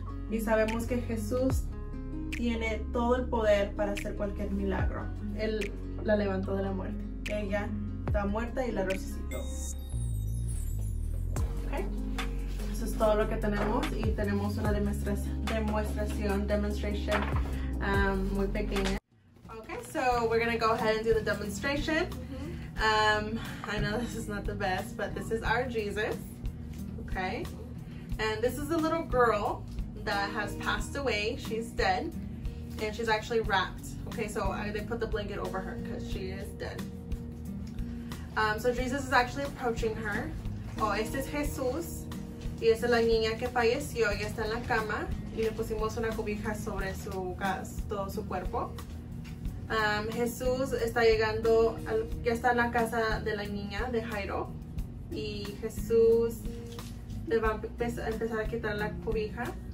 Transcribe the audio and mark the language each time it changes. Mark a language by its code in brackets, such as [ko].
[es] Y sabemos que Jesús tiene todo el poder para hacer cualquier milagro. Él la levantó de la muerte. Ella está muerta y la resucitó. Okay. Eso es todo lo que tenemos y tenemos una demostración muy pequeña. [en] So we're gonna go ahead and do the demonstration. I know this is not the best, but this is our Jesus, okay? And this is a little girl that has passed away. She's dead, and she's actually wrapped. Okay, so they put the blanket over her because she is dead. So Jesus is actually approaching her. [es] Oh, este es Jesús, y esta es la niña que falleció. Ella está en la cama, y le pusimos una cobija sobre todo su cuerpo. Jesús está llegando, ya está en la casa de la niña, de Jairo, y Jesús le va a empezar a quitar la cobija.